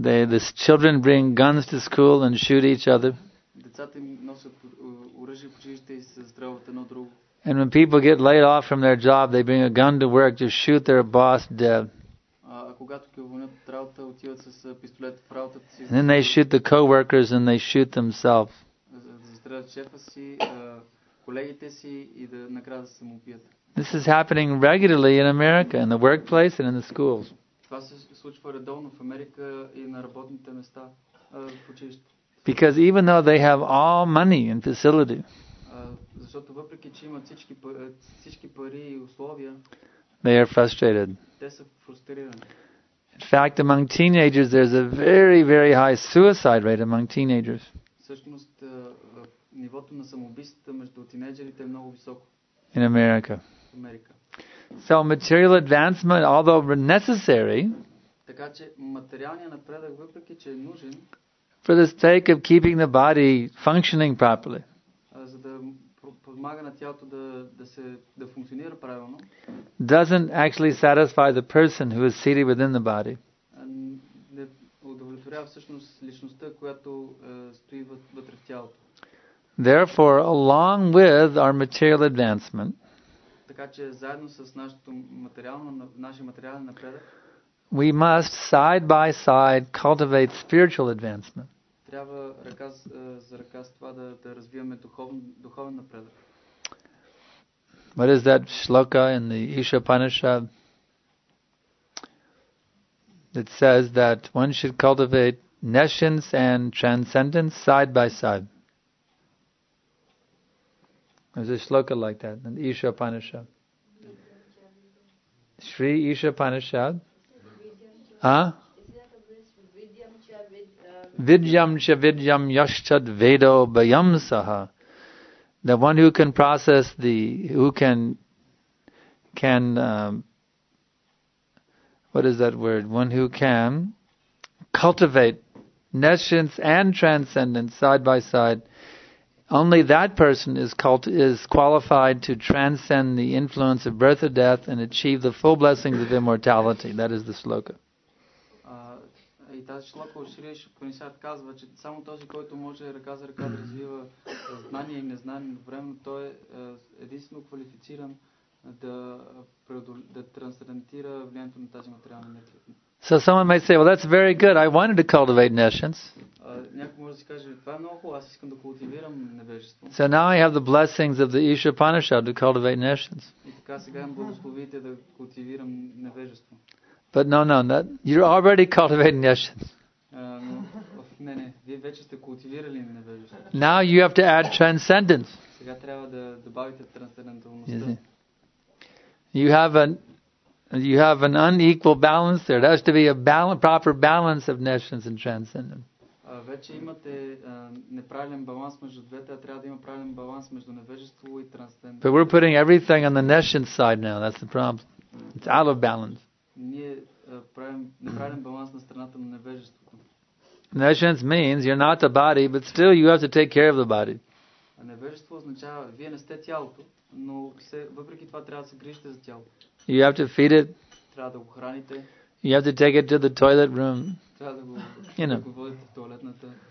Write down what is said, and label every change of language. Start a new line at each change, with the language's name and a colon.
English: The children bring guns to school and shoot each other.
Bulgarian: Децата им носят оръжие в училище и се стрелват едно друго.
English: And when people get laid off from their job, they bring a gun to work to shoot their boss dead.
Bulgarian: А когато ги уволнят от работа, отиват с пистолет в работата си.
English: And then they shoot the coworkers and they shoot themselves.
Bulgarian: Застрелят шефа си, колегите си и да накрая да се самоубият.
English: This is happening regularly in America, in the workplace and in the schools.
Bulgarian: Това се случва редовно в Америка и на работните места, в училище.
English: Because even though they have all money and facility,
Bulgarian: защото въпреки че имат всички пари и условия,
English: they are frustrated.
Bulgarian: Те са фрустрирани.
English: In fact, among teenagers, there's a very, very high suicide rate among teenagers.
Bulgarian: Всъщност, нивото на самоубийствата между тинейджерите е много високо.
English: In America.
Bulgarian: Америка.
English: So material advancement, although necessary,
Bulgarian: така че материалният напредък, въпреки че е нужен,
English: for the sake of keeping the body functioning properly,
Bulgarian: за да помага на тялото да функционира правилно,
English: doesn't actually satisfy the person who is seated within the body.
Bulgarian: Не удовлетворява всъщност личността, която стои вътре в тялото.
English: Therefore, along with our material advancement,
Bulgarian: така че заедно с нашия материален напредък,
English: we must side by side cultivate spiritual advancement.
Bulgarian: Трябва ръка за ръка с това да развиваме духовен напредък.
English: What is that shloka in the Isha Upanishad that says that one should cultivate nescience and transcendence side by side? There's a shloka like that in the Isha Upanishad. Shri Isha Upanishad. Huh?
Sanskrit: Vidyam cha vidyam yashchad vedo bayam saha.
English: The one who can process the, who can, what is that word? One who can cultivate nescience and transcendence side by side. Only that person is qualified to transcend the influence of birth or death and achieve the full blessings of immortality. That is the shloka.
Bulgarian: И тази шлока от Шри Шупанишад казва, че само този, който може ръка за ръка да развива знание и незнание едновременно, той е единствено квалифициран да трансцендентира влиянието на тази материална енергия.
English: So someone might say, well, that's very good. I wanted to cultivate nescience.
Bulgarian: Някой може да си каже, това е много хубаво, аз искам да култивирам невежество.
English: So now I have the blessings of the Isha Upanishad to cultivate nescience.
Bulgarian: И така сега имам благословите да култивирам невежество.
English: But no, that you're already cultivating nescience.
Bulgarian: Не, не, вие вече сте култивирали невежество.
English: Now you have to add transcendence.
Bulgarian: Сега трябва да добавите трансценденталността.
English: You have an unequal balance there. There has to be a proper balance of nescience and transcendence.
Bulgarian: Вече имате неправилен баланс между двете, а трябва да има правилен баланс между невежество и трансценденталност.
English: But we're putting everything on the nescience side now. That's the problem. It's out of balance.
Bulgarian: Ние правим неправилен баланс на страната на невежеството.
English: Nescience means you're not the body, but still you have to take care of the body.
Bulgarian: А невежество означава, вие не сте тялото, но въпреки това трябва да се грижите за тялото.
English: You have to feed it.
Bulgarian: Трябва да го храните.
English: You have to take it to the toilet room.
Bulgarian: Трябва да го,
English: you know,
Bulgarian: да го водите в туалетната.